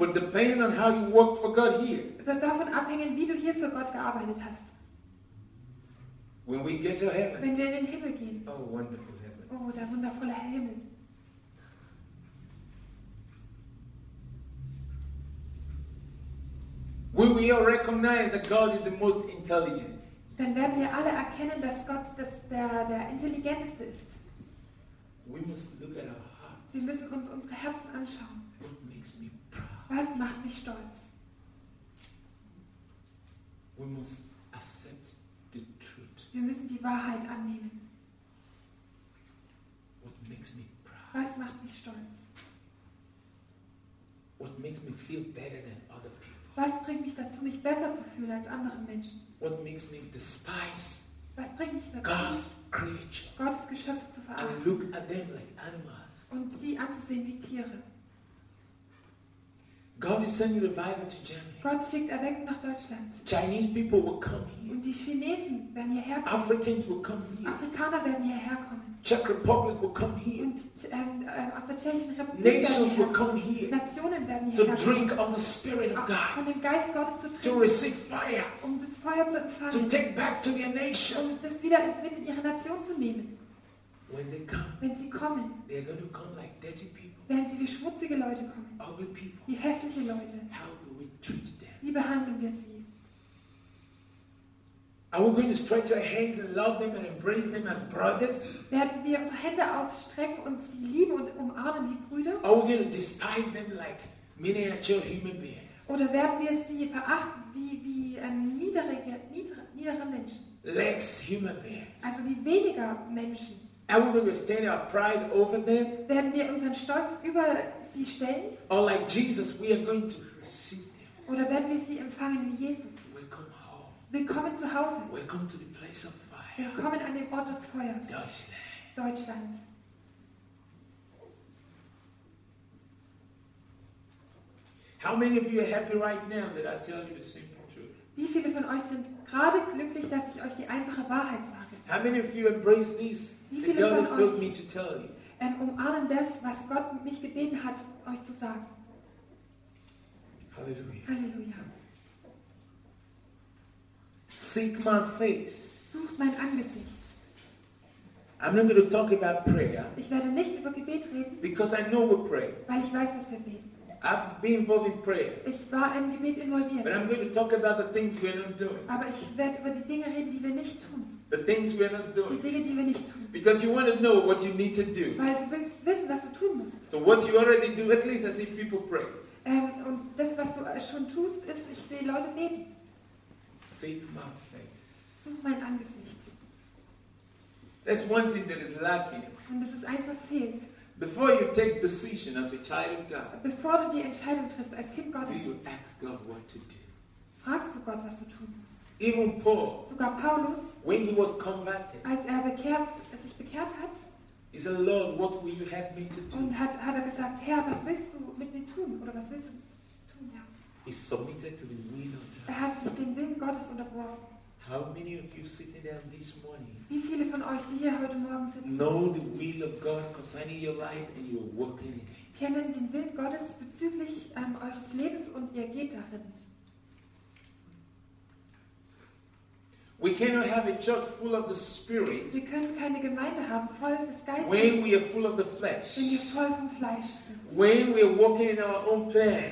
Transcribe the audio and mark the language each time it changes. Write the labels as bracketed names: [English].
[English] would depend on how you worked for God here. [German] Wird davon abhängen, wie du hier für Gott gearbeitet hast. [English] When we get to heaven, [German] wenn wir in den Himmel gehen. [English] Oh, wonderful heaven. [German] Oh, der wundervolle Himmel. [English] Will we all recognize that God is the most intelligent? [German] Dann werden wir alle erkennen, dass Gott das der Intelligenteste ist. [English] We must look at our hearts. [German] Wir müssen uns unsere Herzen anschauen. [English] What makes me proud? [German] Was macht mich stolz? [English] We must accept the truth. [German] Wir müssen die Wahrheit annehmen. [English] What makes me proud? [German] Was macht mich stolz? [English] What makes me feel better than other people? [German] Was bringt mich dazu, mich besser zu fühlen als andere Menschen? [English] What makes me despise [German] was bringt mich dazu, [English] God's creature, [German] Gottes Geschöpfe zu verachten? [English] And look at them like animals. [German] Und sie anzusehen wie Tiere. [English] God is sending revival to Germany. [German] Gott schickt Erweckung nach Deutschland. [English] Chinese people will come here. [German] Und die Chinesen werden hierher kommen. [English] Africans will come here. [German] Afrikaner werden hierher kommen. [English] Czech Republic will come here. [German] Und aus der Tschechischen Republik [English] nations will come here. [German] Nationen werden hier [English] to drink of the Spirit of God. [German] Von dem Geist Gottes zu trinken. [English] To receive fire. [German] Um das Feuer zu empfangen. [English] To take back to their nation. [German] Um das wieder mit in ihre Nation zu nehmen. [English] When they come, [German] wenn sie kommen, [English] they are going to come like dirty people. [German] Werden sie wie schmutzige Leute kommen. [English] Ugly people. [German] Wie hässliche Leute. [English] How do we treat them? [German] Wie behandeln wir sie? [English] Are we going to stretch our hands and love them and embrace them as brothers? [German] Werden wir unsere Hände ausstrecken und sie lieben und umarmen wie Brüder? [English] Are we going to despise them like miniature human beings? [German] Oder werden wir sie verachten wie niedere Menschen? [English] Less human beings. [German] Also wie weniger Menschen. [English] Are we going to stand our pride over them? [German] Werden wir unseren Stolz über sie stellen? [English] Or like Jesus, we are going to receive them. [German] Oder werden wir sie empfangen wie Jesus? Willkommen zu Hause. [English] Welcome to the place of fire. [German] Willkommen an dem Ort des Feuers. Deutschland. Deutschland. [English] How many of you are happy right now that I tell you the simple truth? [German] Wie viele von euch sind gerade glücklich, dass ich euch die einfache Wahrheit sage? [English] How many of you embrace this? [German] Wie viele von euch [English] told me to tell you? [German] Umarmen das, was Gott mich gebeten hat, euch zu sagen. [English] Hallelujah. [German] Halleluja. [English] Seek my face. [German] Such mein Angesicht. [English] I'm not going to talk about prayer. [German] Ich werde nicht über Gebet reden. [English] Because I know we pray. [German] Weil ich weiß, dass wir beten. [English] I've been involved in prayer. [German] Ich war im Gebet involviert. [English] But I'm going to talk about the things we're not doing. [German] Aber ich werde über die Dinge reden, die wir nicht tun. [English] The things we're not doing. [German] Die Dinge, die wir nicht tun. [English] Because you want to know what you need to do. [German] Weil du willst wissen, was du tun musst. [English] So what you already do, at least I see people pray. [German] Und das, was du schon tust, ist, ich sehe Leute beten. [English] Seek my face. [German] Such mein Angesicht. [English] There's one thing that is lacking. [German] Und es ist eins, was fehlt. [English] Before you take decision as a child of God. [German] Bevor du die Entscheidung triffst als Kind Gottes. [English] Do you ask God what to do? [German] Fragst du Gott, was du tun musst? [English] Even Paul. [German] Sogar Paulus. [English] When he was converted. [German] Als er sich bekehrt hat. [English] He said, Lord, what will you have me to do? [German] Und hat er gesagt, Herr, was willst du mit mir tun? Oder was willst du tun? Ja. [English] He submitted to the will of God. [German] Er hat sich dem Willen Gottes unterworfen. [English] How many of you sitting there this morning? [German] Wie viele von euch, die hier heute Morgen sitzen? [English] Know the will of God concerning your life and you're working in it. [German] Kennen den Willen Gottes bezüglich eures Lebens und ihr geht darin. [English] We cannot have a church full of the Spirit. [German] Wir können keine Gemeinde haben voll des Geistes. [English] When we are full of the flesh. [German] Wenn wir voll vom Fleisch sind. [English] When we are walking in our own plan.